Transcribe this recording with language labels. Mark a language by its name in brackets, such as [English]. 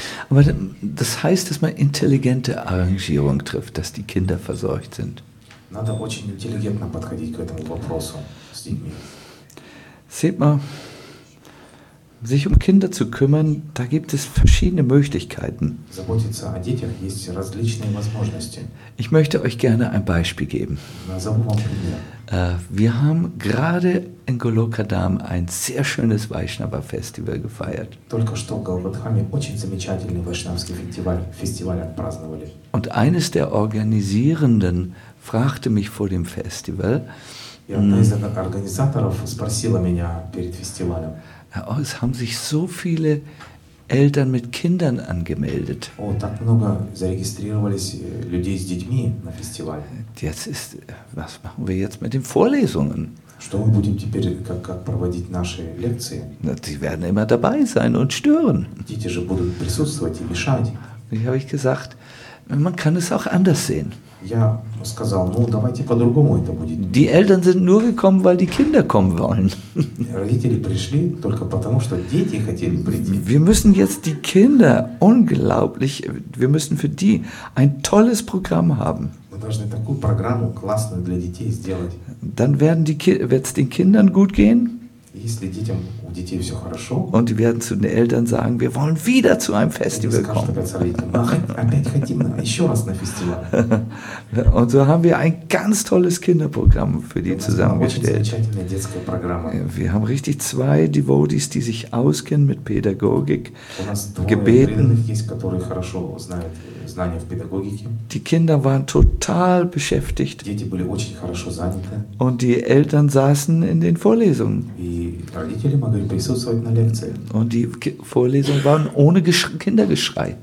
[German] Aber das heißt, dass man intelligente Arrangierung trifft, dass die Kinder versorgt sind. [Russian] Надо очень интеллигентно подходить к этому вопросу с детьми. [German] Sieht man, sich um Kinder zu kümmern, da gibt es verschiedene Möglichkeiten. [Russian] Заботиться о детях есть различные возможности. [German] Ich möchte euch gerne ein Beispiel geben. [Russian] Назову вам пример. [German] Wir haben gerade in Golokadam ein sehr schönes Vaishnava-Festival gefeiert. [Russian] Только что в Голгадхаме очень замечательный вайшнавский фестиваль отпраздновали. [German] Und eines der Organisierenden fragte mich vor dem Festival. [Russian] И одна из организаторов спросила меня перед фестивалем. [German] Es haben sich so viele Eltern mit Kindern angemeldet. [Russian] Oh, так много зарегистрировались людей с детьми на фестивале. [German] Jetzt ist, was machen wir jetzt mit den Vorlesungen? [Russian] Что мы будем теперь, как проводить наши лекции? [German] Die werden immer dabei sein und stören. [Russian] Дети же будут присутствовать и мешать. [German] Wie habe ich gesagt, man kann es auch anders sehen. [Russian] Я сказал, ну давайте по-другому это будет. [German] Die Eltern sind nur gekommen, weil die Kinder kommen wollen. [Russian] Родители пришли только потому, что дети хотели прийти. [German] Wir müssen jetzt die Kinder unglaublich, wir müssen für die ein tolles Programm haben. [Russian] Мы должны такую программу классную для детей сделать. [German] Dann werden die wird's den Kindern gut gehen. [Russian] Если детям у детей все хорошо. [German] Und die werden zu den Eltern sagen, wir wollen wieder zu einem Festival kommen. [Russian] Опять хотим еще раз на фестиваль. [German] Und so haben wir ein ganz tolles Kinderprogramm für die zusammengestellt. [Russian] Очень замечательная детская программа. [German] Wir haben richtig zwei Devotees, die sich auskennen mit Pädagogik, gebeten. [Russian] Есть, которые хорошо знают знания в педагогике. [German] Die Kinder waren total beschäftigt. [Russian] Дети были очень хорошо заняты. [German] Und die Eltern saßen in den Vorlesungen. [Russian] И родители могли присутствовать на лекции. [German] Und die Vorlesungen waren ohne Kindergeschrei.